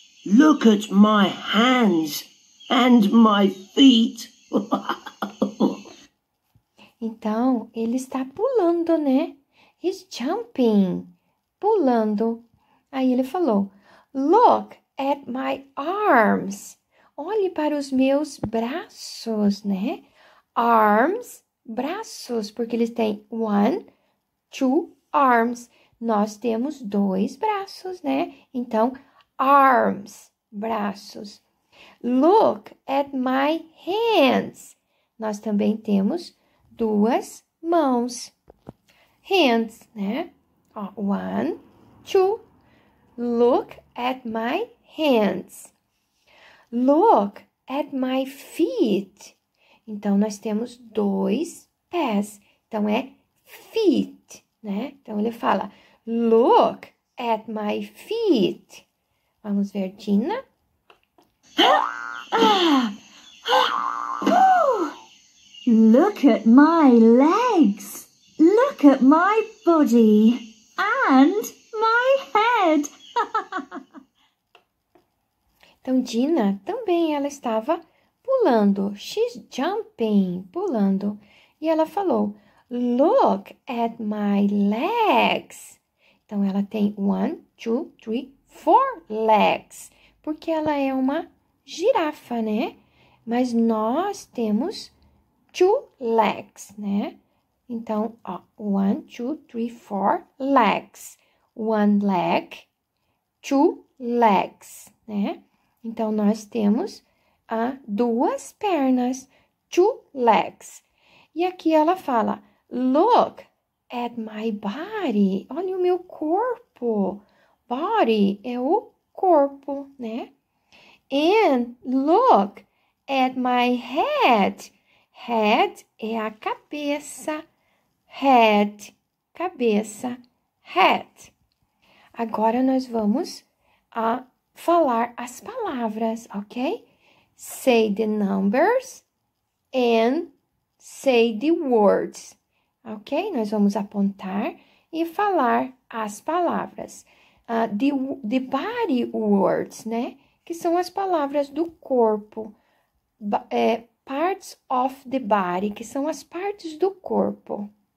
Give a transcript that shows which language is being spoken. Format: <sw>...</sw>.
<en>Look at my hands and my feet.</en> <pt>Então, ele está pulando, né?</pt> <en>He's jumping, pulando.</en> <pt>Aí ele falou,</pt> <en>look at my arms.</en> <pt>Olhe para os meus braços, né? Arms, braços, porque ele tem</pt> <en>one, two arms.</en> <pt>Nós temos dois braços, né? Então, arms, braços.</pt> <en>Look at my hands.</en> <pt>Nós também temos duas mãos.</pt> <en>Hands, né? One, two. Look at my hands. Look at my feet.</en> <pt>Então, nós temos dois pés. Então, é feet, né? Então, ele fala,</pt> <en>look at my feet.</en> <pt>Vamos ver, Gina.</pt> <en>Look at my legs. Look at my body and my head.</en> <pt>Então, Gina também, ela estava pulando.</pt> <en>She's jumping, pulando.</en> <pt>E ela falou,</pt> <en>look at my legs.</en> <pt>Então, ela tem</pt> <en>one, two, three, four legs.</en> <pt>Porque ela é uma girafa, né? Mas nós temos</pt> <en>two legs,</en> <pt>né?</pt> <en>Então, ó, one, two, three, four legs. One leg, two legs, né?</en> <pt>Então, nós temos duas pernas,</pt> <en>two legs.</en> <pt>E aqui ela fala,</pt> <en>look at my body.</en> <pt>Olha o meu corpo. Body é o corpo, né?</pt> <en>And look at my head.</en> <pt>Head é a cabeça. Head, cabeça, head. Agora, nós vamos falar as palavras, ok?</pt> <en>Say the numbers and say the words, ok?</en> <pt>Nós vamos apontar e falar as palavras.</pt> <en>The body words,</en> <pt>né? Que são as palavras do corpo.</pt> <en>Parts of the body,</en> <pt>que são as partes do corpo.</pt>